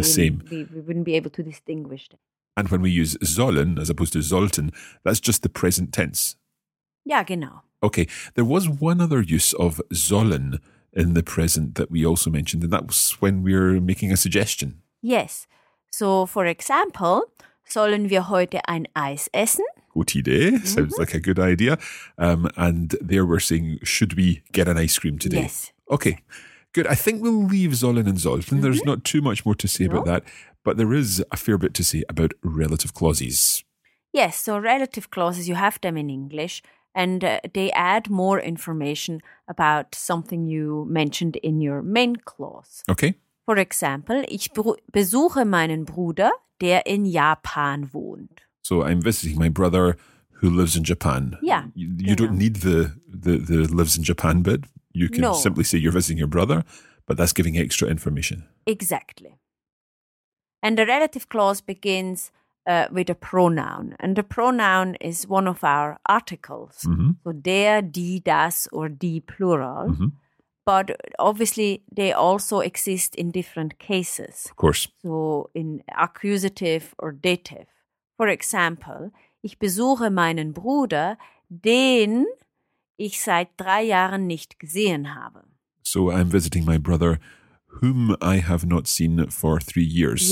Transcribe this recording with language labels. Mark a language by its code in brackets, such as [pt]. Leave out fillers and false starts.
[en] The same. We wouldn't be able to distinguish them. And when we use sollen as opposed to sollten, that's just the present tense. [de] Ja, genau. [en] Okay, there was one other use of sollen in the present that we also mentioned, and that was when we're making a suggestion. Yes. So, for example, [de] sollen wir heute ein Eis essen? Gute Idee. [en] Mm-hmm. Sounds like a good idea. And there we're saying, should we get an ice cream today? Yes. Okay, good. I think we'll leave sollen and sollten. Mm-hmm. There's not too much more to say about that, but there is a fair bit to say about relative clauses. Yes, so relative clauses, you have them in English, and they add more information about something you mentioned in your main clause. Okay. For example, [de] ich besuche meinen Bruder, der in Japan wohnt. [en] So I'm visiting my brother who lives in Japan. Yeah. You don't need the lives in Japan bit. You can simply say you're visiting your brother, but that's giving extra information. Exactly. And the relative clause begins with a pronoun. And the pronoun is one of our articles. Mm-hmm. So der, die, das, or die plural. Mm-hmm. But obviously they also exist in different cases. Of course. So in accusative or dative. For example, [de] ich besuche meinen Bruder, den ich seit 3 Jahren nicht gesehen habe. [en] So I'm visiting my brother, whom I have not seen for 3 years.